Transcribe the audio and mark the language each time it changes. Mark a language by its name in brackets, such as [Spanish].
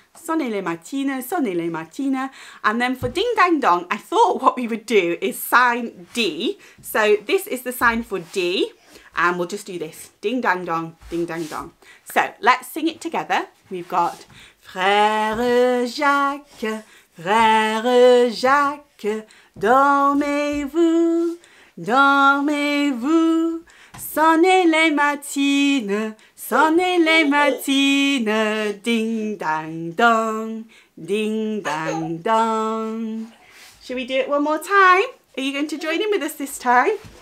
[French] Sonnez les matines. Sonnez les matines. [English] And then for ding dang dong, I thought what we would do is sign D. So this is the sign for D. And we'll just do this. Ding dang dong. Ding dang dong. So let's sing it together. We've got Frère Jacques. [French] Frère Jacques, dormez-vous, dormez-vous. Sonnez les matines, sonnez les matines. Ding dang dong, ding dang dong. [English] Shall we do it one more time? Are you going to join in with us this time?